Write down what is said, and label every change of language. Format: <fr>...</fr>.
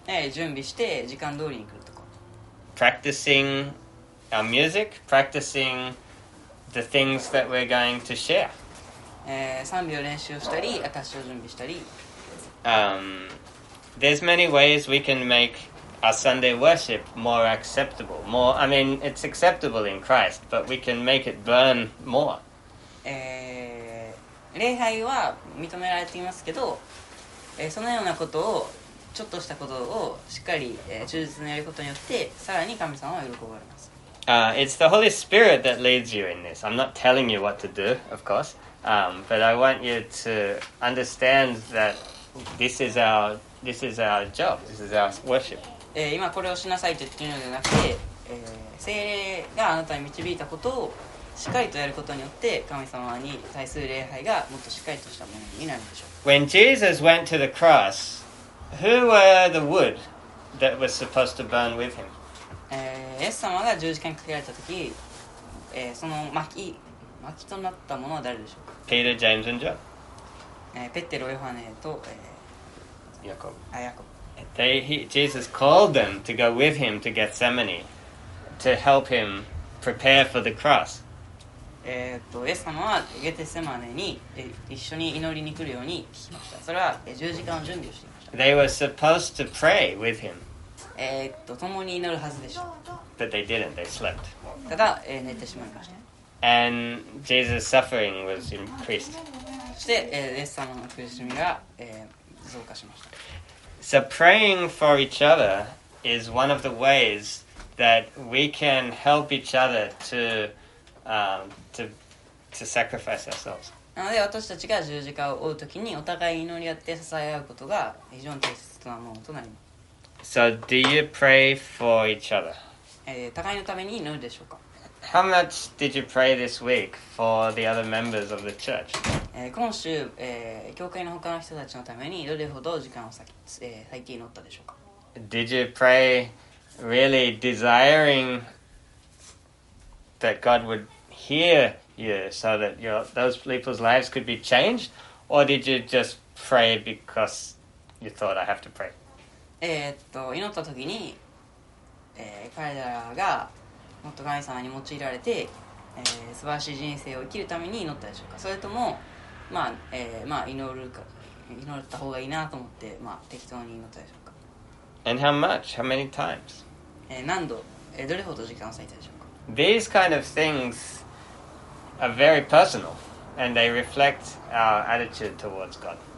<ja>準備して、時間通りに来るとか。</ja> <en>Practicing our music, practicing the things that we're going to share.</en> <ja>賛美を練習をしたり、証を準備したり。</ja> <en>There's many ways we can make our Sunday worship more acceptable. More, I mean, it's acceptable in Christ, but we can make it burn more.</en> <ja>礼拝は認められていますけど、そのようなことを、ちょっとしたことをしっかり、忠実にやることによって、さらに神様は喜ばれます。</ja> <en>It's the Holy Spirit that leads you in this. I'm not telling you what to do, of course. But I want you to understand that this is our job. This is our worship.</en> <ja>今これをしなさいと言っているのではなくて、聖霊があなたに導いたことをしっかりとやることによって、神様に対する礼拝がもっとしっかりとしたものになるでしょう。</ja> <en>When Jesus went to the cross, who were the wood that was supposed to burn with him?</en> <ja>イエス様が十字架にかけられた時、その薪となったものは誰でしょうか。</ja> <en>Peter, James, and John.</en> <ja>ペテロ、ヨハネと、ヤコブ。ヤコブ。</ja> <en>Jesus called them to go with him to Gethsemane to help him prepare for the cross.</en> <ja>イエス様はゲテセマネに一緒に祈りに来るように聞きました。それは十字架の準備をしていました。</ja> <en>They were supposed to pray with him.</en> <ja>共に祈るはずでした。</ja> <en>But they didn't. They slept.</en> <ja>ただ、寝てしまいました。</ja> <en>And Jesus' suffering was increased.</en> <ja>そして、イエス様の苦しみが、増加しました。</ja> <en>So praying for each other is one of the ways that we can help each other to sacrifice ourselves.</en> <ja>なので私たちが十字架を追うときにお互い祈り合って支え合うことが非常に大切なものとなります。</ja> <en>So do you pray for each other?</en> <ja>互いのために祈るでしょうか。</ja> <en>How much did you pray this week for the other members of the church?</en> <ja>今週、教会の他の人たちのためにどれほど時間を割いて祈ったでしょうか。</ja> <en>Did you pray really desiring that God would hear you so that those people's lives could be changed? Or did you just pray because you thought I have to pray?</en> <ja>祈った時に、彼らがもっと神様に用いられて、素晴らしい人生を生きるために祈ったでしょうか。それとも、祈った方がいいなと思って、適当に祈ったでしょうか。</ja> <en>And how much? How many times?</en> <ja>何度、どれほど時間を割いたでしょうか。</ja> <en>These kind of things are very personal and they reflect our attitude towards God.</en>